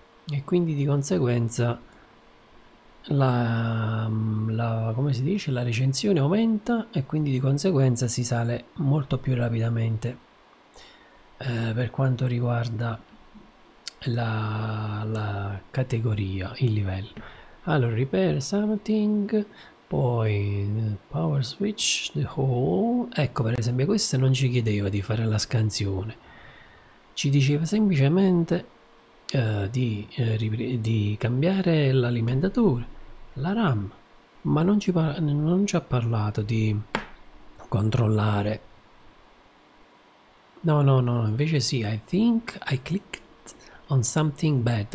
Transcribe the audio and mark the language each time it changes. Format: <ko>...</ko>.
<it>E quindi di conseguenza come si dice, la recensione aumenta e quindi di conseguenza si sale molto più rapidamente per quanto riguarda la categoria, il livello.</it> <en>Allora, repair something. Poi, power switch, the hole.</en> <it>Ecco, per esempio, questo non ci chiedeva di fare la scansione, ci diceva semplicemente di cambiare l'alimentatore, la RAM, ma non ci ha parlato di controllare. No, no, no, invece sì,</it> <en>I think I clicked on something bad.</en>